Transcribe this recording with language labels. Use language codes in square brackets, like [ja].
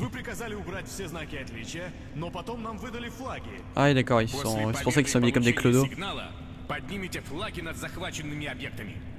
[ru] Вы приказали убрать все знаки отличия, но потом нам выдали флаги. [fr] Ah, d'accord, ils sont, c'est pour ça qu'ils sont habillés comme des clodos. [ru] Сигнала, поднимите флаги над захваченными объектами.